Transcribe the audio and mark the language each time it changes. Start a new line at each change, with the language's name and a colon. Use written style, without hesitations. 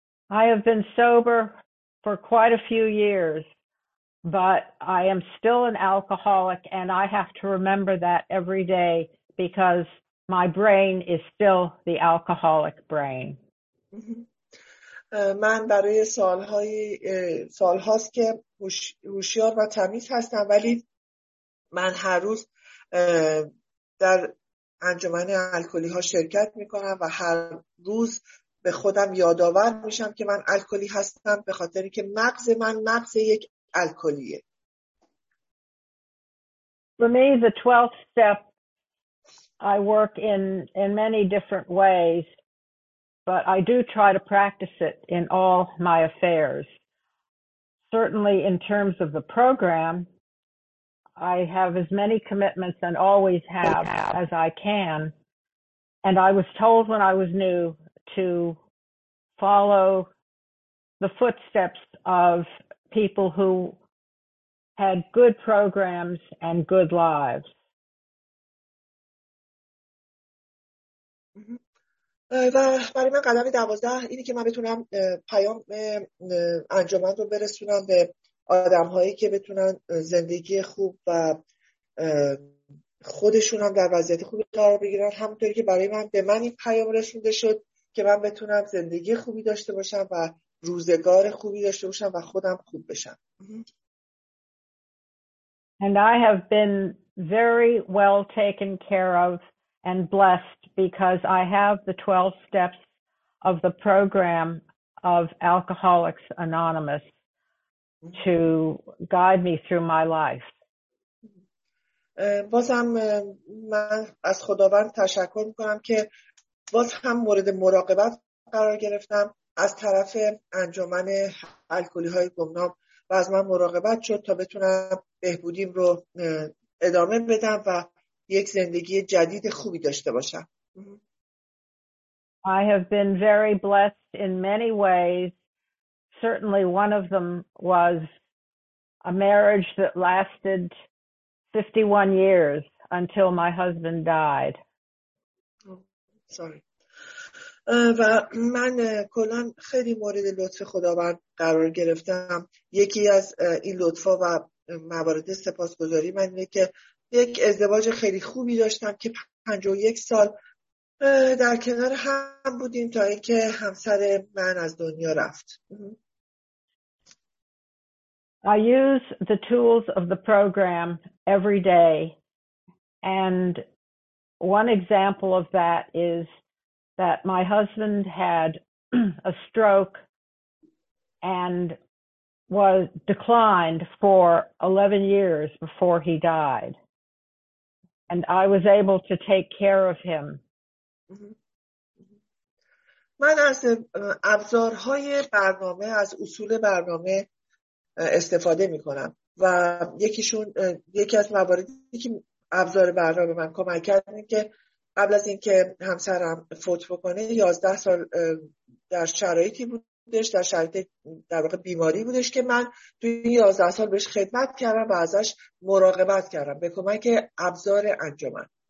English: I have been sober for quite a few years. But I am still an alcoholic, and I have to remember that every day because my brain is still the alcoholic brain.
Persian: من برای سالهاست که هوشیار و تمیز هستم، ولی من هر روز در انجمن الکلی ها شرکت میکنم و هر روز به خودم یادآور میشم که من الکلی هستم به خاطر اینکه مغز یک الکلیه.
English: For me, the 12th step, I work in many different ways, but I do try to practice it in all my affairs. Certainly in terms of the program, I have as many commitments and always have as I can. And I was told when I was new to follow the footsteps of people who had good programs and good lives.
Persian: و برای من قدم 12 اینی که من بتونم پیام انجمن رو برسونم به آدم هایی که بتونن زندگی خوب و خودشون هم در وضعیت خوبی قرار بگیرن، همونطوری که برای من به من این پیام رسونده شد که من بتونم زندگی خوبی داشته باشم و روزگار خوبی داشته باشم و خودم خوب بشم.
English: And I have been very well taken care of and blessed because I have the 12 steps of the program of Alcoholics Anonymous to guide me through my life.
Persian: بازم من از خداوند تشکر می‌کنم که باز هم مورد مراقبت قرار گرفتم از طرف انجمن الکلی‌های گمنام و از من مراقبت شد تا بتونم بهبودیم رو ادامه بدم و یک زندگی جدید خوبی داشته باشم.
English: I have been very blessed in many ways. Certainly one of them was a marriage that lasted 51 years until my husband died. Sorry.
Persian: و من کلان خیلی مورد لطف خداوند قرار گرفتم. یکی از این لطفا و موارد سپاسگزاری من اینه که یک ازدواج خیلی خوبی داشتم که 51 سال در کنار هم بودیم تا اینکه همسر من از دنیا رفت.
English: I use the tools of the program every day, and one example of that is that my husband had a stroke and was declined for 11 years before he died. And I was able to take care of him.
Persian: من از ابزارهای برنامه از اصول برنامه استفاده می کنم و یکی از مواردی که ابزار برنامه من کمک کرد این که قبل از اینکه همسرم فوت بکنه 11 سال در شرایطی بودش، در شرایط در واقع بیماری بودش که من توی 11 سال بهش خدمت کردم و ازش مراقبت کردم به کمک ابزار انجمن.